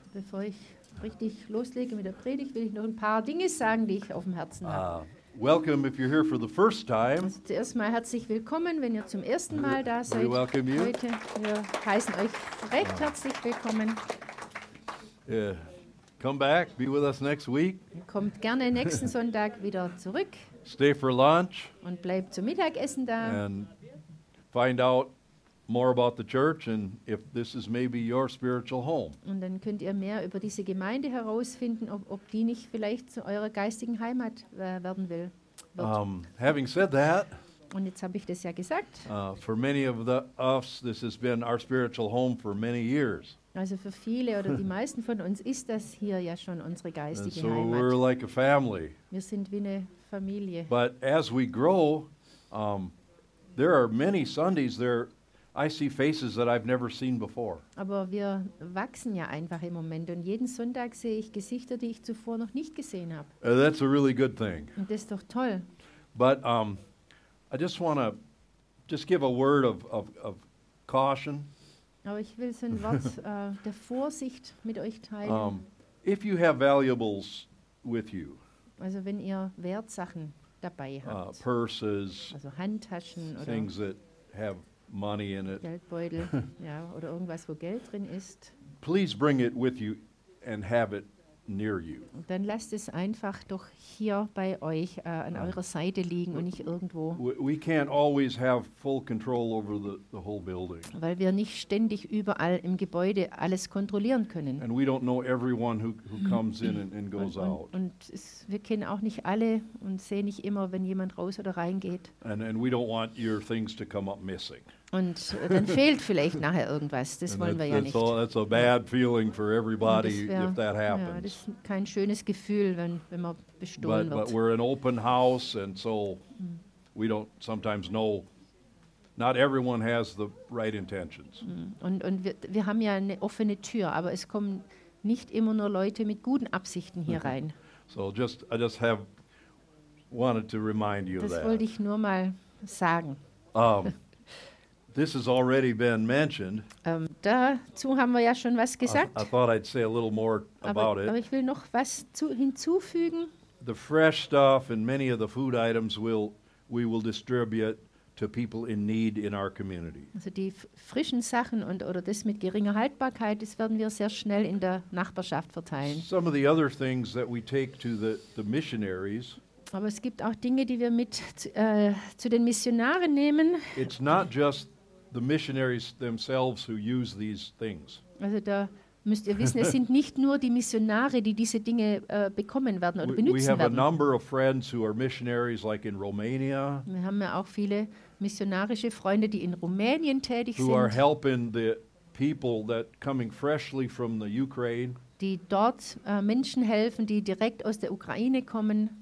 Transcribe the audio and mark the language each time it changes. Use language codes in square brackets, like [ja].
[de] Bevor ich richtig loslege mit der Predigt, will ich noch ein paar Dinge sagen, die ich auf dem Herzen habe. [en] Welcome if you're here for the first time. [de] Also zuerst mal herzlich willkommen, wenn ihr zum ersten Mal da seid. [en] We welcome you. [de] Heute, wir heißen euch recht herzlich willkommen. [en] Come back, be with us next week. [de] Kommt gerne nächsten Sonntag wieder zurück. [en] Stay for lunch. [de] Und bleibt zum Mittagessen da. [en] And find out more about the church and if this is maybe your spiritual home. [de] Und dann könnt ihr mehr über diese Gemeinde herausfinden, ob die nicht vielleicht zu eurer geistigen Heimat werden will. [en] Having said that, [de] und jetzt habe ich das ja gesagt. [en] For many of us, this has been our spiritual home for many years. [de] Also für viele oder die meisten von uns ist das hier ja schon unsere geistige so Heimat. [en] We're like a family. [de] Wir sind wie eine Familie. [en] But as we grow, there are many Sundays there I see faces that I've never seen before. [de] Aber wir wachsen ja einfach im Moment und jeden Sonntag sehe ich Gesichter, die ich zuvor noch nicht gesehen habe. [en] That's a really good thing. [de] Und das ist doch toll. [en] But I just want to just give a word of caution. [de] Aber ich will so ein Wort der Vorsicht mit euch teilen. [en] If you have valuables with you. [de] Also wenn ihr Wertsachen dabei habt. [en] Purses. [de] Also Handtaschen oder [en] things that have money in it. [de] Geldbeutel, ja, oder irgendwas, wo Geld drin ist. [en] Please bring it with you and have it near you. [de] Und dann lasst es einfach doch hier bei euch an eurer Seite liegen und nicht irgendwo. [en] We can't always have full control over the whole building. [de] Weil wir nicht ständig überall im Gebäude alles kontrollieren können. [en] And we don't know everyone who comes in and goes out. [de] Und wir kennen auch nicht alle und sehen nicht immer, wenn jemand raus oder reingeht. [en] And we don't want your things to come up missing. [de] Und dann fehlt vielleicht nachher irgendwas. Das wollen wir ja nicht. [en] That's a bad feeling for everybody if that happens. [de] Ja, das ist kein schönes Gefühl, wenn man bestohlen wird. [en] But we're an open house, and so we don't sometimes know. Not everyone has the right intentions. [de] Und wir haben ja eine offene Tür, aber es kommen nicht immer nur Leute mit guten Absichten hier rein. [en] So I just have wanted to remind you [de] das [en] of that. [de] Das wollte ich nur mal sagen. [en] This has already been mentioned. [de] Dazu haben wir ja schon was gesagt. [en] I thought I'd say a little more about it. [de] Aber ich will noch was hinzufügen. [en] The fresh stuff and many of the food items we will distribute to people in need in our community. [de] Also die frischen Sachen und oder das mit geringer Haltbarkeit, das werden wir sehr schnell in der Nachbarschaft verteilen. [en] Some of the other things that we take to the missionaries. [de] Aber es gibt auch Dinge, die wir mit zu den Missionaren nehmen. [en] It's not just the missionaries themselves who use these things. [de] Also da müsst ihr wissen, es sind nicht nur die Missionare, die diese Dinge bekommen werden oder benutzen werden. [en] We have a number of friends who are missionaries, like in Romania. [de] Wir haben ja auch viele missionarische Freunde, die in Rumänien tätig [en] who [de] sind. [en] Who are helping the people that coming freshly from the Ukraine. [de] Die dort Menschen helfen, die direkt aus der Ukraine kommen.